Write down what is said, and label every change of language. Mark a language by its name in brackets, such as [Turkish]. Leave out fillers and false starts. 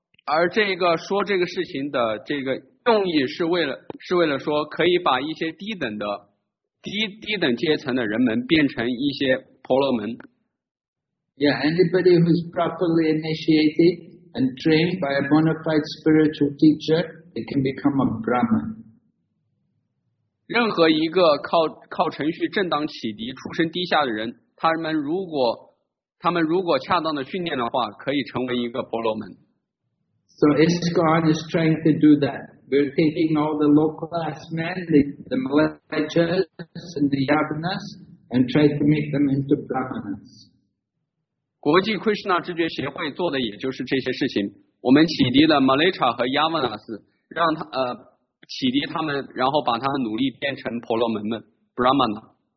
[Chinese] 而这个说这个事情的这个用意是为了说可以把一些低等阶层的人们变成一些婆罗门。 [English] Yeah, anybody who is properly initiated and trained by a bona fide spiritual teacher, they can become a Brahman. [Chinese] 任何一个靠程序正当启迪出身低下的人，他们如果恰当的训练的话，可以成为一个婆罗门。 [English] So ISKCON is trying to do that. We're taking all the local class men, the Malayachas and the Yavanas, and try to make them into Brahmanas. [Chinese] 国际 Krishna 知觉协会做的也就是这些事情。我们启迪了 Malaycha 和 Yavanas， 让他启迪他们，然后把他们努力变成婆罗门们 Brahmana。